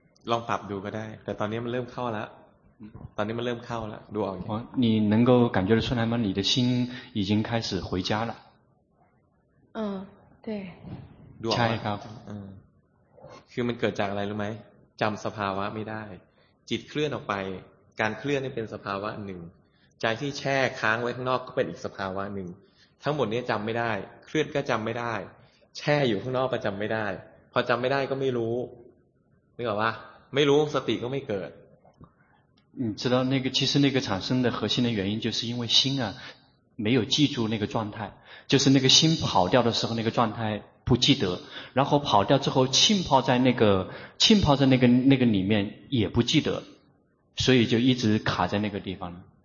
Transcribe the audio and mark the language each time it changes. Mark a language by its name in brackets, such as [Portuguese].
[Thai] ลองปรับดูก็ได้แต่ตอนนี้มันเริ่มเข้าแล้วตอนนี้มันเริ่มเข้าแล้วดูออก [Chinese] 你能够感觉得出来吗你的心已经开始回家了对 [Thai] ดูออก ใช่ครับ คือมันเกิดจากอะไรรู้ไหมจำสภาวะไม่ได้จิตเคลื่อนออกไปการเคลื่อนนี่เป็นสภาวะหนึ่งใจที่แช่ค้างไว้ข้างนอกก็เป็นอีกสภาวะหนึ่งทั้งหมดนี้จำไม่ได้เคลื่อนก็จำไม่ได้แช่อยู่ข้างนอกก็จำไม่ได้พอจำไม่ได้ก็ไม่รู้ [Chinese] 明白吧？没有， [Thai] สติก็ไม่เกิด。 [Chinese] 你知道那个，其实那个产生的核心的原因，就是因为心啊，没有记住那个状态，就是那个心跑掉的时候，那个状态不记得，然后跑掉之后浸泡在那个浸泡在那个里面也不记得，所以就一直卡在那个地方。